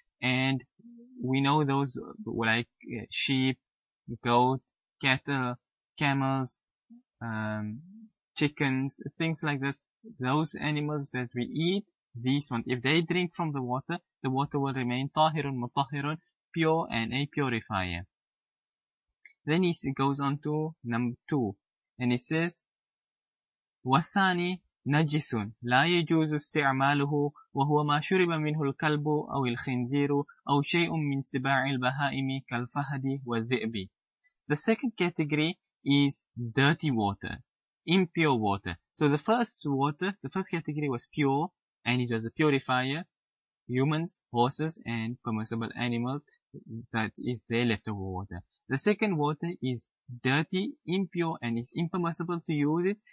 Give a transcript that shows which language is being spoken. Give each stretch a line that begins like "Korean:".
English: And we know those like sheep, goat, cattle, camels, chickens, things like this. Those animals that we eat, these ones, if they drink from the water will remain tahirun, mutahirun, pure and a purifier. Then he goes on to number two, and he says,
Arabic: وَالثَّانِي نَجِسٌ لَا يَجُوزُ اسْتِعْمَالُهُ وَهُوَ مَا شُرِبَ مِنْهُ الْكَلْبُ أَوْ الْخِنْزِيرُ أَوْ شَيْءٌ مِّنْ سِبَاعِ الْبَهَائِمِ كَالْفَهَدِ وَالذِّئْبِ.
English: The second category is dirty water, impure water. So the first water, the first category was pure, and it was a purifier, humans, horses, and permissible animals, that is their leftover water. The second water is dirty, impure, and is impermissible to use it.